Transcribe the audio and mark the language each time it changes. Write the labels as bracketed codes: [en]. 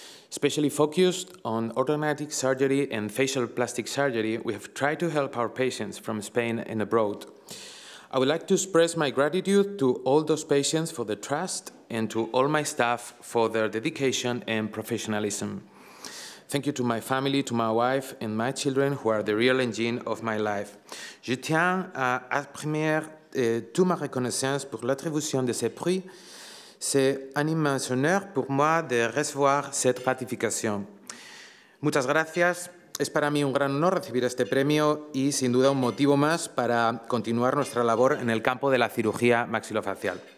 [en] Especially focused on orthognathic surgery and facial plastic surgery, we have tried to help our patients from Spain and abroad. I would like to express my gratitude to all those patients for the trust and to all my staff for their dedication and professionalism. Thank you to my family, to my wife and my children who are the real engine of my life. [fr] Je tiens à exprimer toute ma reconnaissance pour l'attribution de ce prix. C'est un immense honneur pour moi de recevoir cette ratification. [es] Muchas gracias. Es para mí un gran honor recibir este premio y sin duda un motivo más para continuar nuestra labor en el campo de la cirugía maxilofacial.